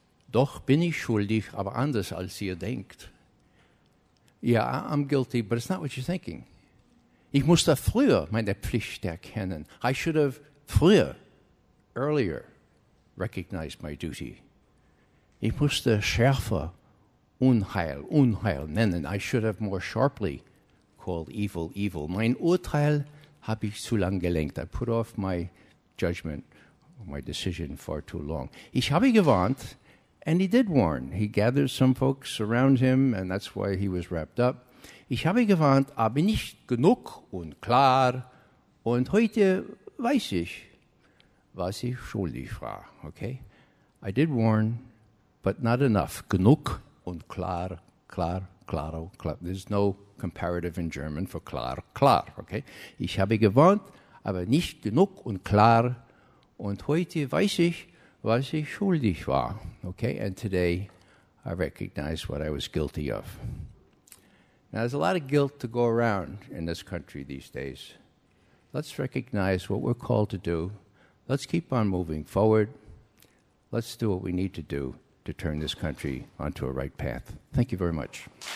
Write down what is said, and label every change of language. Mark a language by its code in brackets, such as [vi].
[de] Doch bin ich schuldig, aber anders als ihr denkt. [en] Yeah, I'm guilty, but it's not what you're thinking. [de] Ich musste früher meine Pflicht erkennen. [en] I should have earlier, recognized my duty. [de] Ich musste schärfer Unheil nennen. [en] I should have more sharply called evil evil. [de] Mein Urteil habe ich zu lang gelenkt. [en] I put off my judgment, my decision far too long. Ich habe gewarnt, and he did warn. He gathered some folks around him, and that's why he was wrapped up. [de] Ich habe gewarnt, aber nicht genug und klar. Und heute weiß ich, was ich schuldig war. Okay? [en] I did warn, but not enough. Genug und klar, klar, claro, klar. There's no comparative in German for klar, klar. Okay? [de] Ich habe gewarnt, aber nicht genug und klar. Und heute weiß ich, was ich schuldig war. Okay? [en] And today I recognize what I was guilty of. Now, there's a lot of guilt to go around in this country these days. Let's recognize what we're called to do. Let's keep on moving forward. Let's do what we need to do to turn this country onto a right path. Thank you very much.